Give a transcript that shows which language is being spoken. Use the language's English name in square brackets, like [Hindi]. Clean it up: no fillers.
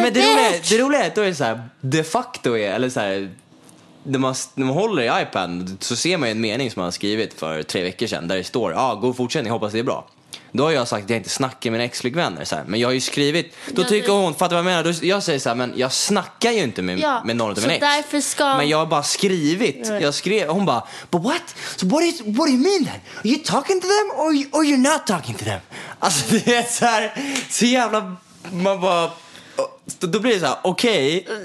[Swedish] men det roliga är att då är det så här, de facto är, eller så här, när man håller i iPad så ser man ju en mening som man har skrivit för 3 veckor sedan där det står, god fortsättning, hoppas det är bra. Då har jag sagt att jag inte snackar med mina ex-flickvänner så här, men jag har ju skrivit, då tycker hon, fattar vad jag menar, då jag säger så här, men jag snackar ju inte med någon av mina ex. Men jag har bara skrivit. Jag skrev, hon bara, [English] but what? So what do you mean then? Are you talking to them or you're not talking to them? [Swedish] Alltså det är så här, så jävla, man bara, då blir det så här, okej.